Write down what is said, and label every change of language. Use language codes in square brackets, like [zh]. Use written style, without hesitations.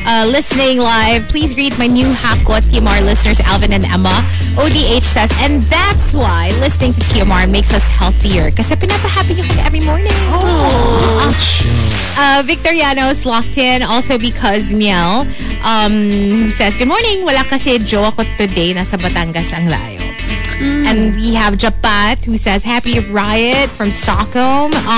[en] Listening live, please greet my new Hakko TMR listeners, Alvin and Emma. ODH says, and that's why listening to TMR makes us healthier. [tl] Kasi pinapahappy yung every morning. [en] Oh. Victoriano's locked in also because Miel says, good morning. [tl] Wala kasi jowa ko today, nasa Batangas ang layo. [en] And we have Japat, who says, happy riot from Stockholm.